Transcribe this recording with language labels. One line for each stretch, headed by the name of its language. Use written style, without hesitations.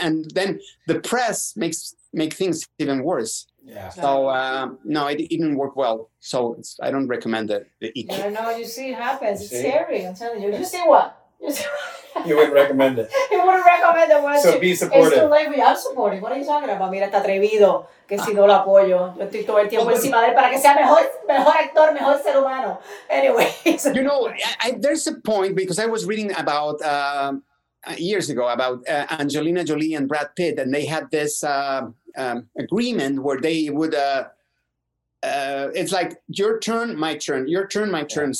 English: And then the press makes things even worse. Yeah. So no, it didn't work well. So I don't recommend it. I don't know. You see it happens. You see? It's scary. I'm telling you. You see what? You wouldn't recommend it. You wouldn't recommend it. So be supportive. It's too late. I'm supportive. What are you talking about?
Spanish: Mira, está atrevido. Que si no lo apoyo. Yo estoy todo el tiempo encima de él para que sea mejor actor, mejor ser humano.
English: Anyway. You know, there's a point because I was reading about years ago about Angelina Jolie and Brad Pitt, and they had this agreement where they would it's like your turn, my turn, your turn, my turn.